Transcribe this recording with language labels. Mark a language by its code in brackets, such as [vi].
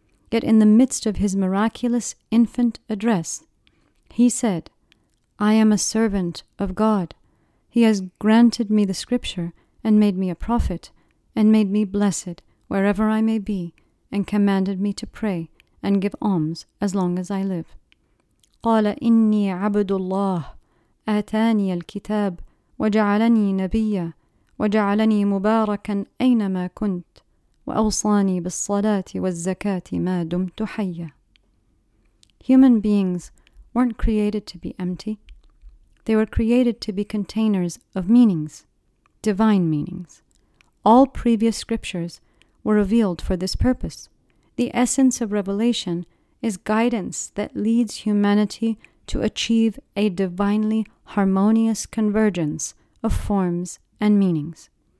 [en] Yet in the midst of his miraculous infant address, he said, "I am a servant of God. He has granted me the scripture and made me a prophet and made me blessed wherever I may be and commanded me to pray and give alms as long as I live." [ar] قال إني عبد الله آتاني الكتاب وجعلني نبيا وجعلني مباركا أينما كنت وأوصاني بالصلاة والزكاة ما دمت حيا. [en] Human beings weren't created to be empty. They were created to be containers of meanings, divine meanings. All previous scriptures were revealed for this purpose. The essence of revelation is guidance that leads humanity to achieve a divinely harmonious convergence of forms and meanings.